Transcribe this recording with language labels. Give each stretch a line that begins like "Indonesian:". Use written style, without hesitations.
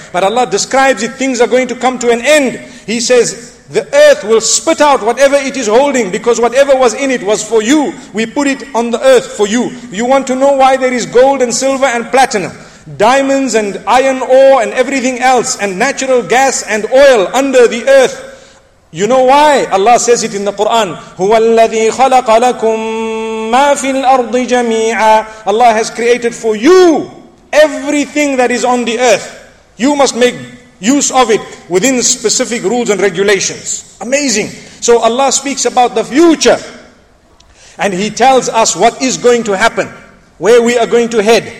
English: But Allah describes it, things are going to come to an end. He says, the earth will spit out whatever it is holding, because whatever was in it was for you. We put it on the earth for you. You want to know why there is gold and silver and platinum, diamonds and iron ore and everything else, and natural gas and oil under the earth? You know why? Allah says it in the Quran.
Arabic: هو الذي خلق لكم ما في الأرض جميعا.
English: Allah has created for you everything that is on the earth. You must make use of it within specific rules and regulations. Amazing. So Allah speaks about the future and He tells us what is going to happen, where we are going to head.